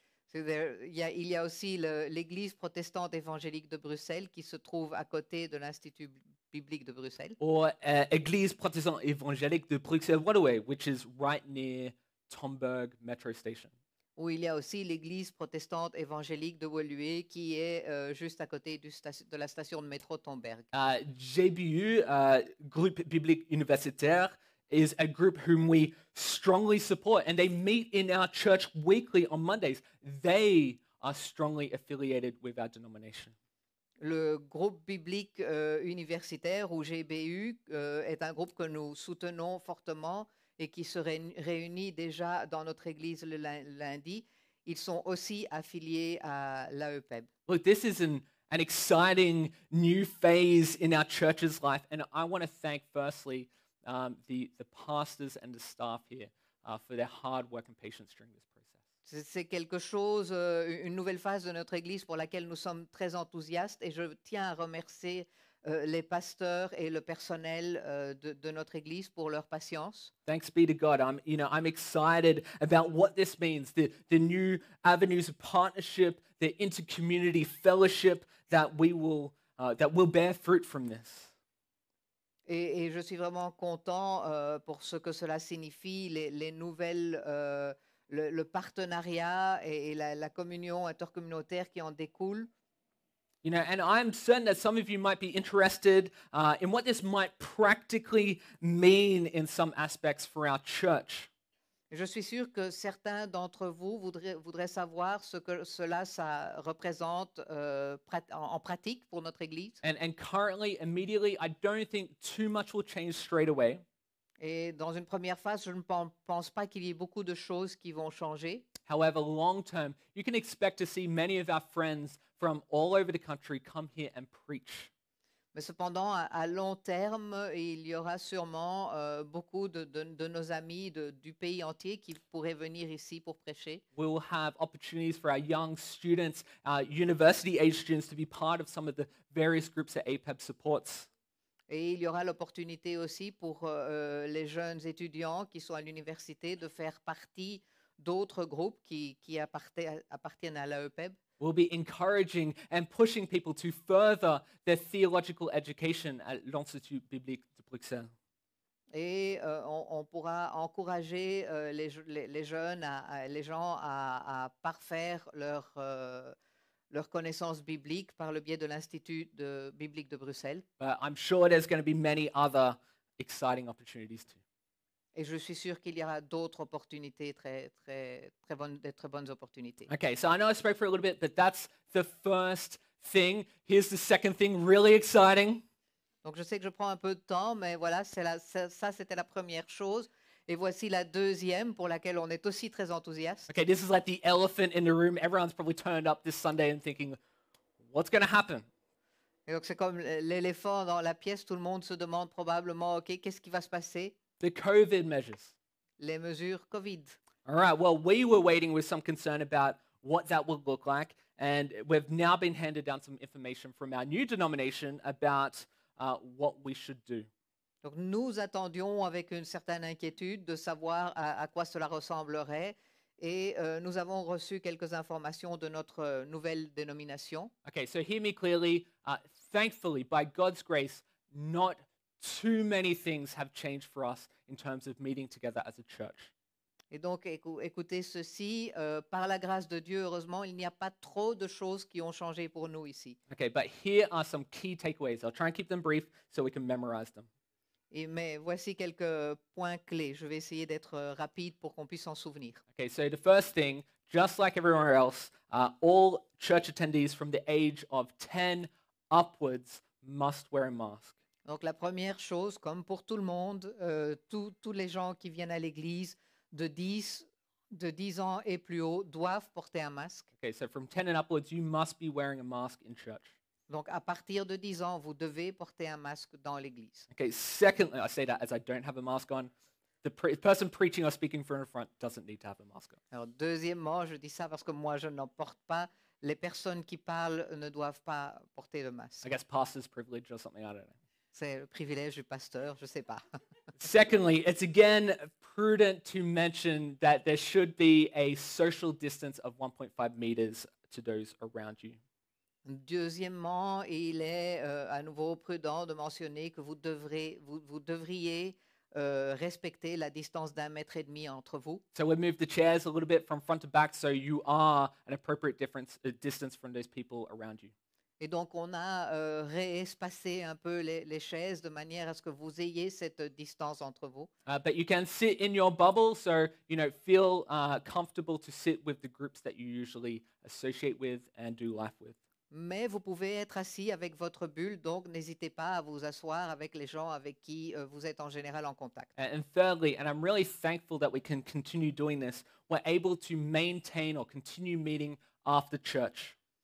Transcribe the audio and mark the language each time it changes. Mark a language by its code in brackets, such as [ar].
[fr] So il y a aussi l'église protestante évangélique de Bruxelles qui se trouve à côté de l'Institut biblique. biblique de Bruxelles. [en] Or Église protestante évangélique de Bruxelles Waterway, which is right near Tomberg Metro Station. [fr] Où il y a aussi l'Église protestante évangélique de Woluwe qui est juste à côté de la station de métro Tomberg. [en] GBU, groupe biblique universitaire, is a group whom we strongly support, and they meet in our church weekly on Mondays. They are strongly affiliated with our denomination. [fr] Le groupe biblique universitaire, ou GBU, est un groupe que nous soutenons fortement et qui se réunit déjà dans notre église le lundi. Ils sont aussi affiliés à l'AEPEB. [en] Look, this is an exciting new phase in our church's life, and I want to thank firstly the pastors and the staff here for their hard work and patience during this process. [fr] C'est quelque chose, une nouvelle phase de notre église pour laquelle nous sommes très enthousiastes, et je tiens à remercier les pasteurs et le personnel de notre église pour leur patience. [en] Thanks be to God. I'm excited about what this means, the new avenues of partnership, the inter-community fellowship that we will that will bear fruit from this. [fr] Et je suis vraiment content pour ce que cela signifie, les nouvelles, le partenariat et la communion intercommunautaire qui en découle. [en] You know, and I'm certain that some of you might be interested in what this might practically mean in some aspects for our church. [fr] Je suis sûr que certains d'entre vous voudraient savoir ce que cela ça représente en pratique pour notre église. [en] And currently, immediately, I don't think too much will change straight away. [fr] Et dans une première phase, je ne pense pas qu'il y ait beaucoup de choses qui vont changer. [en] However, long term, you can expect to see many of our friends from all over the country come here and preach. [fr] Mais cependant, à long terme, il y aura sûrement beaucoup de nos amis du pays entier qui pourraient venir ici pour prêcher. [en] We will have opportunities for our young students, our university-age students, to be part of some of the various groups that APEB supports. [fr] Et il y aura l'opportunité aussi pour les jeunes étudiants qui sont à l'université de faire partie d'autres groupes qui appartiennent à l'AEPEB. [en] We'll be encouraging and pushing people to further their theological education at l'Institut biblique de Bruxelles. [fr] Et on pourra encourager les jeunes, les gens à parfaire leur connaissance biblique par le biais de l'Institut biblique de Bruxelles. [en] But I'm sure there's going to be many other exciting opportunities too. [fr] Et je suis sûr qu'il y aura d'autres opportunités très bonnes opportunités. [en] Okay, so I know I spoke for a little bit, but that's the first thing. Here's the second thing, really exciting. [fr] Donc je sais que je prends un peu de temps, mais voilà, c'était la première chose, et voici la deuxième pour laquelle on est aussi très enthousiaste. [en] Okay, this is like the elephant in the room. Everyone's probably turned up this Sunday and thinking, what's going to happen? [fr] Et donc c'est comme l'éléphant dans la pièce. Tout le monde se demande probablement, ok, qu'est-ce qui va se passer? [en] The COVID measures. [fr] Les mesures COVID. [en] All right. Well, we were waiting with some concern about what that would look like, and we've now been handed down some information from our new denomination about what we should do. [fr] Donc nous attendions avec une certaine inquiétude de savoir à quoi cela ressemblerait, et nous avons reçu quelques informations de notre nouvelle dénomination. [en] Okay. So hear me clearly. Thankfully, by God's grace, not too many things have changed for us in terms of meeting together as a church. [fr] Et donc, écoutez ceci, par la grâce de Dieu, heureusement, il n'y a pas trop de choses qui ont changé pour nous ici. [en] Okay, but here are some key takeaways. I'll try and keep them brief so we can memorize them. [fr] Mais voici quelques points clés. Je vais essayer d'être rapide pour qu'on puisse s'en souvenir. [en] Okay, so the first thing, just like everywhere else, all church attendees from the age of 10 upwards must wear a mask. [fr] Donc la première chose, comme pour tout le monde, tous les gens qui viennent à l'église de 10 ans et plus haut doivent porter un masque. [en] Okay, so from 10 and upwards, you must be wearing a mask in church. [fr] Donc à partir de 10 ans, vous devez porter un masque dans l'église. [en] Okay, secondly, I say that as I don't have a mask on. The person preaching or speaking from the front doesn't need to have a mask on. [fr] Alors deuxièmement, je dis ça parce que moi je n'en porte pas. Les personnes qui parlent ne doivent pas porter le masque. [en] I guess pastor's privilege or something, I don't know. [fr] C'est le privilège du pasteur, je sais pas. [en] Secondly, it's again prudent to mention that there should be a social distance of 1.5 meters to those around you. [fr] Deuxièmement, il est à nouveau prudent de mentionner que vous devriez respecter la distance d'un mètre et demi entre vous. [en] So we moved the chairs a little bit from front to back so you are an appropriate distance from those people around you. [fr] Et donc on a réespacé un peu les chaises de manière à ce que vous ayez cette distance entre vous. [en] But you can sit in your bubble, so you know, feel comfortable to sit with the groups that you usually associate with and do life with. [fr] Mais vous pouvez être assis avec votre bulle, donc n'hésitez pas à vous asseoir avec les gens avec qui vous êtes en général en contact. [en] And thirdly, and I'm really thankful that we can continue doing this, we're able to maintain or continue meeting after church.